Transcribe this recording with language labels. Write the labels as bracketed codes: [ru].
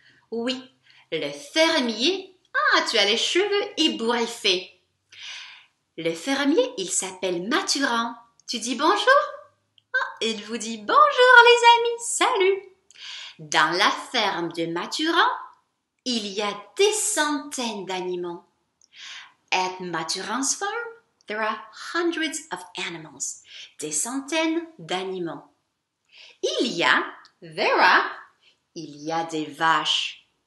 [fr] Oui, le fermier. Ah, tu as les cheveux ébouriffés. Le fermier, il s'appelle Mathurin. Tu dis bonjour? Ah, il vous dit bonjour, les amis. Salut! Dans la ferme de Mathurin, il y a des centaines d'animaux. [en] At Mathurin's farm, there are hundreds of animals. [fr] Des centaines d'animaux. Il y a, [en] there are, [fr] il y a des vaches.